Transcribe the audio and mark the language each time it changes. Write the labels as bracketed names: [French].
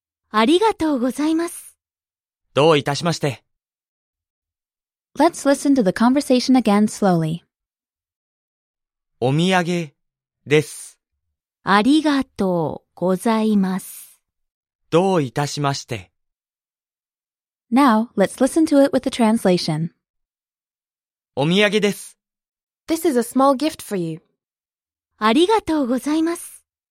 [Japanese] ありがとうございます。どういたしまして。 [English] Let's listen to the conversation again slowly. [Japanese] お土産です。ありがとうございます。どういたしまして。 [English] Now, let's listen to it with the translation. [Japanese] お土産です。 [English] This is a small gift for you. [Japanese] ありがとうございます。